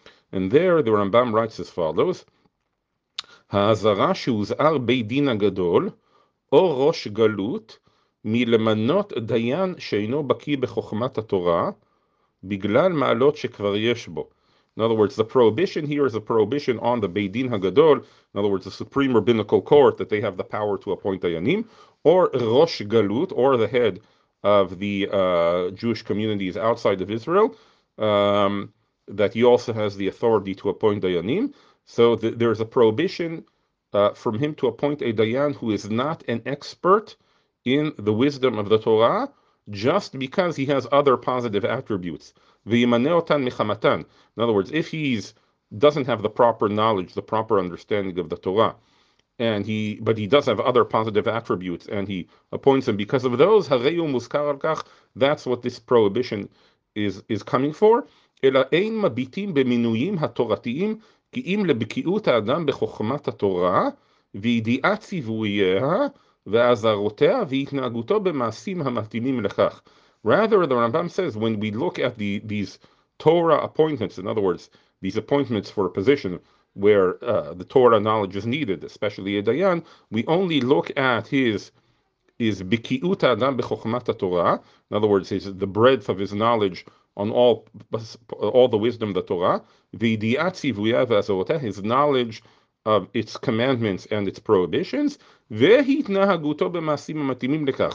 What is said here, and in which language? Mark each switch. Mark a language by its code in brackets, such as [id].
[he] And there the Rambam writes as follows: Ha'azara shu'uzar beit din gadol o rosh galut מלמנות דיין שאינו בקי בחוכמת התורה בגלל מעלות שכבר יש בו. [en] In other words, the prohibition here is a prohibition on the Beit Din HaGadol, in other words, the Supreme Rabbinical Court, that they have the power to appoint dayanim, or Rosh Galut, or the head of the Jewish communities outside of Israel, that he also has the authority to appoint dayanim. So there's a prohibition from him to appoint a dayan who is not an expert in the wisdom of the Torah, just because he has other positive attributes. In other words, if he doesn't have the proper knowledge, the proper understanding of the Torah, but he does have other positive attributes, and he appoints him because of those, that's what this prohibition is coming for. In other words, [he] וידיעת ציווייה ועזרותיה והתנהגותו במעשים המתאימים לכך. [en] Rather, the Rambam says, when we look at these Torah appointments, in other words, these appointments for a position where the Torah knowledge is needed, especially a dayan, we only look at his [he] bikiut adam bechokhmat Torah, [en] in other words, his the breadth of his knowledge on all the wisdom of the Torah, [he] v'idiat tzivuya v'azorotah, [en] his knowledge of its commandments and its prohibitions, [he] v'hitnahaguto b'masim matimim lekach.